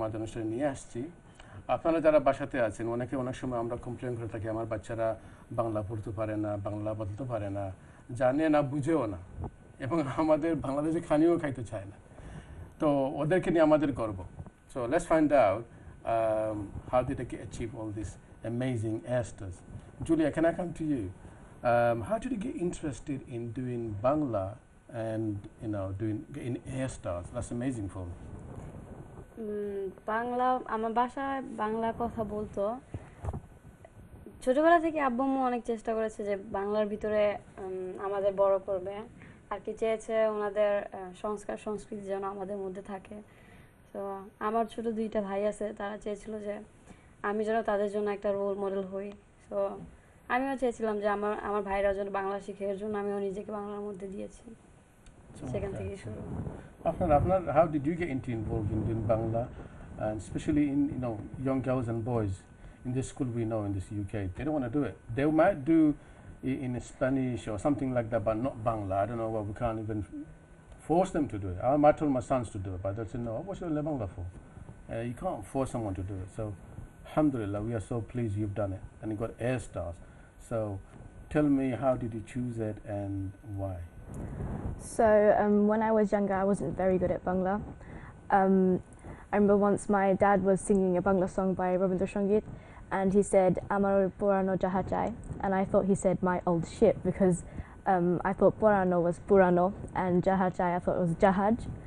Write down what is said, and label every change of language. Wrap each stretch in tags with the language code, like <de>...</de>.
<bn>আপনারা যারা বাসাতে আছেন, অনেকে অনেক সময় আমরা কমপ্লেন করে থাকি আমার বাচ্চারা বাংলা পড়তে পারে না, বাংলা বলতে পারে না, জানে না, বুঝেও না, এবং আমাদের বাংলাদেশে খানিও খাইতে চায় না। তো ওদেরকে নিয়ে আমাদের গর্ব।</bn> <en>So let's find out how did they achieve all these amazing esters. Julia, can I come to you? How did you get interested in doing Bangla and, you know, doing in esters? That's amazing for me.</en> <bn>Bangla, আমার ভাষা বাংলা কথা বলতো ছোটবেলা থেকে। আব্বু অনেক চেষ্টা করেছে যে বাংলার ভিতরে আমাদের বড় করবে আর কি, চেয়েছে ওনাদের সংস্কার সংস্কৃতি যেন আমাদের মধ্যে থাকে। তো আমার ছোটো দুইটা ভাই আছে, তারা চেয়েছিল যে আমি যেন তাদের জন্য একটা রোল মডেল হই। সো আমিও চেয়েছিলাম যে আমার আমার ভাইরা যেন বাংলা শিখে, এর জন্য আমিও নিজেকে বাংলার মধ্যে দিয়েছি, সেখান থেকেই শুরু। আপনার আপনার</bn> <en>How did you get involve in doing Bangla and specially in you know young girls and boys in this school we know in this UK, they don't want to do it, they might do in Spanish or something like that but not Bangla. I don't know why we can't even force them to do it. I told my sons to do it, but they said, no, what's your Bangla for? You can't force someone to do it. So, alhamdulillah, we are so pleased you've done it and you got air stars. So, tell me, how did you choose it and why? So, when I was younger, I wasn't very good at Bangla. I remember once my dad was singing a Bangla song by Rabindrasangit and he said,</en> <bn>Amar Purano Jahachai,</bn> <en>and I thought he said, my old ship, because I thought Purano was Purano and Jahajai I thought it was Jahaj.</en>